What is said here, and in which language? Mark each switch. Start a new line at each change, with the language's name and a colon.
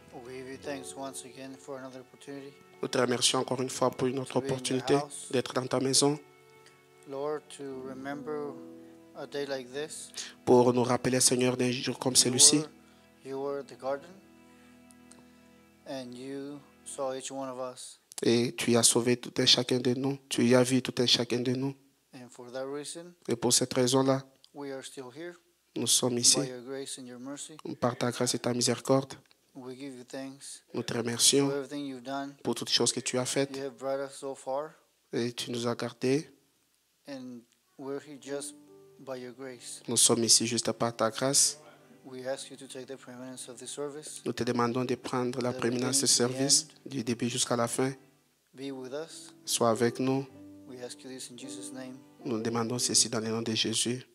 English: we give you thanks once again for another opportunity.
French: Nous te remercions encore une fois pour une autre opportunité d'être dans ta maison.
English: Lord, to remember a day like this.
French: Pour nous rappeler, Seigneur, d'un jour comme celui-ci.
English: You were the garden, and you saw each one of us.
French: Et tu as sauvé tout un chacun de nous. Tu y as vu tout un chacun de nous.
English: And for that reason,
French: et pour cette raison-là,
English: we are still here.
French: Nous sommes ici
English: by your grace and your mercy.
French: Par ta grâce et ta miséricorde.
English: We give you thanks.
French: Nous te remercions
English: for everything you've done.
French: Pour toutes choses que tu as faites.
English: You have brought us so far.
French: Et tu nous as gardés.
English: And we're here just by your grace.
French: Nous sommes ici juste par ta grâce.
English: We ask you to take the preeminence of the service.
French: Nous te demandons de prendre la préminence de ce service du début jusqu'à la fin.
English: Be with us.
French: Sois avec nous.
English: We ask you this in Jesus' name.
French: Nous demandons ceci dans le nom de Jésus.